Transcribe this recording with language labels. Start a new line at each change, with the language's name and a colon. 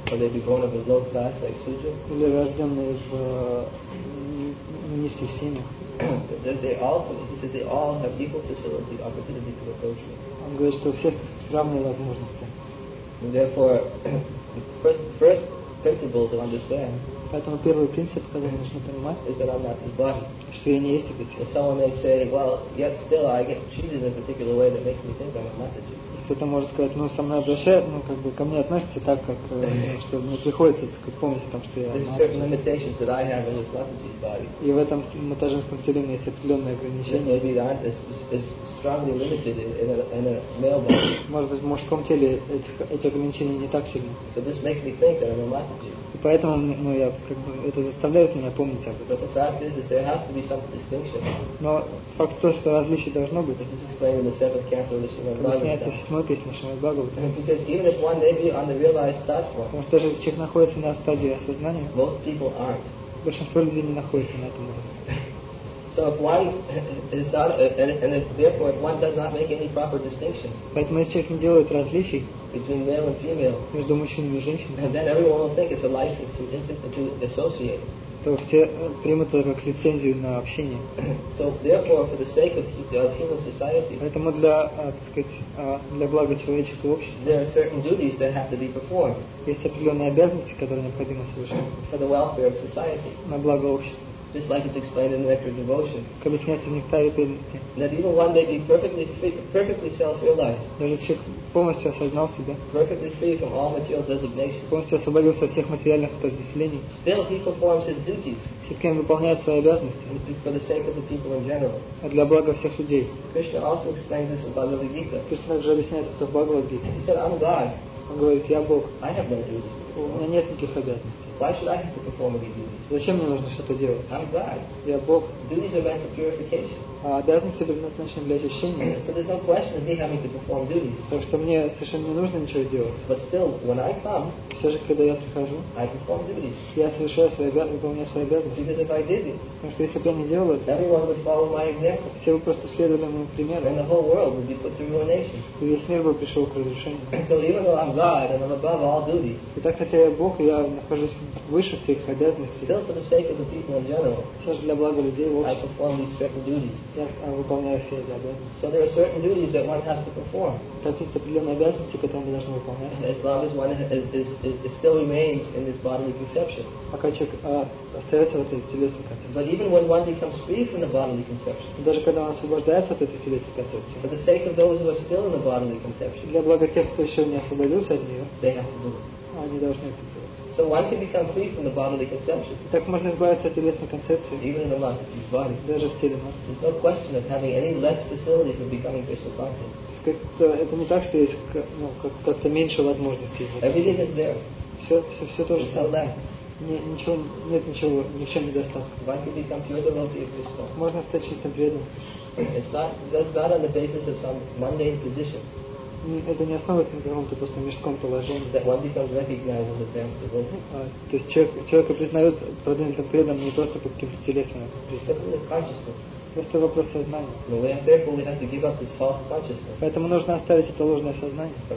English: Or they be born of a low class like Sudra.
Russian: Или рожденные в низких семьях.
English: They all have equal facility, opportunity to approach you.
Russian: Он говорит, что у всех равные возможности.
English: Therefore, the first principle to understand.
Russian: Поэтому первый принцип, который нужно понимать, что я не есть это тело.
English: If someone may say, well, yet still I get treated in a particular way that makes me think I'm a Mataji.
Russian: Кто-то может сказать, ну со мной обращаются, ну как бы ко мне относятся так, как что мне приходится, так сказать, помнить о том, что я Mataji. И в этом матажинском теле у меня есть определенные ограничения.
English: Maybe that is strongly limited in a male body.
Russian: Может быть, в мужском теле эти ограничения не так сильны.
English: So this makes me think that I'm a Mataji.
Russian: И поэтому я как бы это заставляет меня помнить об этом.
English: But the fact is there has to be some distinction.
Russian: Но факт то, что различие должно быть.
English: This is playing in the seventh canto of Shrimad
Russian: Потому что даже если человек находится на стадии осознания, большинство людей не находится на этом уровне.
English: So if one is not, and if, therefore if one does not make any proper distinctions,
Russian: поэтому если человек не делает различий
English: between male and female,
Russian: между мужчиной и женщиной,
English: and then everyone will think it's a license to associate.
Russian: То все примут это как лицензию на общение.
English: So therefore, for the sake of human society,
Russian: поэтому для, так сказать, для блага человеческого общества,
English: there are certain duties that have to be performed.
Russian: Есть определенные обязанности, которые необходимо совершать.
English: For the welfare of society.
Russian: На благо общества.
English: Just like it's explained in the Nectar of Devotion.
Russian: Как объясняется в Нектаре преданности.
English: That even one may be perfectly free, perfectly self-realized.
Russian: Даже человек полностью осознал себя.
English: Perfectly free from all material designations.
Russian: Полностью освободился от всех материальных определений.
English: Still he performs his duties.
Russian: Все-таки он выполняет свои обязанности.
English: For the sake of the people in general.
Russian: А для блага всех людей.
English: Krishna also explains this in Bhagavad Gita.
Russian: Кришна также объясняет это в Бхагавад Гите.
English: He said, I'm God.
Russian: Он говорит, я Бог.
English: I have no duties.
Russian: У меня нет никаких обязанностей.
English: Why should I have to perform any duties?
Russian: Зачем мне нужно что-то делать?
English: I'm God.
Russian: Я Бог.
English: Duties are meant for purification.
Russian: А обязанности предназначены для очищения.
English: So there's no question of me having to perform duties.
Russian: Так что мне совершенно не нужно ничего делать.
English: But still, when I come,
Russian: все же, когда я прихожу,
English: I perform duties.
Russian: Я совершаю свои обязанности, выполняю свои обязанности.
English: Because if I didn't,
Russian: потому что если бы я не делал это,
English: everyone would follow my example.
Russian: Все бы просто следовали моему примеру.
English: And the whole world would be put to ruination.
Russian: И весь мир бы пришел к разрушению.
English: And so even though I'm God and I'm above all duties,
Russian: итак, хотя я Бог, я нахожусь выше всех обязанностей.
English: Still for the sake of the people in general,
Russian: все же для блага людей, вот,
English: I perform these certain duties.
Russian: Я выполняю все эти обязанности.
English: So there are certain duties that one has to perform.
Russian: Так есть определенные обязанности, которые мы должны выполнять.
English: As long as one is still remains in this bodily conception.
Russian: Пока человек остается в этой телесной концепции.
English: But even when one becomes free from the bodily conception.
Russian: Даже когда он освобождается от этой телесной концепции.
English: For the sake of those who are still in the bodily conception.
Russian: Для блага тех, кто еще не освободился от нее.
English: They have to do it.
Russian: Они должны это делать.
English: So one can become free from the bodily conception.
Russian: Так можно избавиться от телесной концепции.
English: Even in the mind, his body.
Russian: Даже в теле, мозг.
English: There's no question of having any less facility for becoming Krishna conscious.
Russian: Это не так, что есть, ну, как-то меньше возможностей.
English: Everything is there.
Russian: Все тоже.
English: So that.
Russian: Нет ничего, ни в чем недостатка.
English: One can become pure devotee of Krishna.
Russian: Можно стать чистым преданным.
English: It's not on the basis of some mundane position.
Russian: Это не основывается на каком-то просто мирском положении. То есть человека признают продвинутым преданным не просто по каким-то телесным признакам. Просто вопрос сознания. Поэтому нужно оставить это ложное сознание.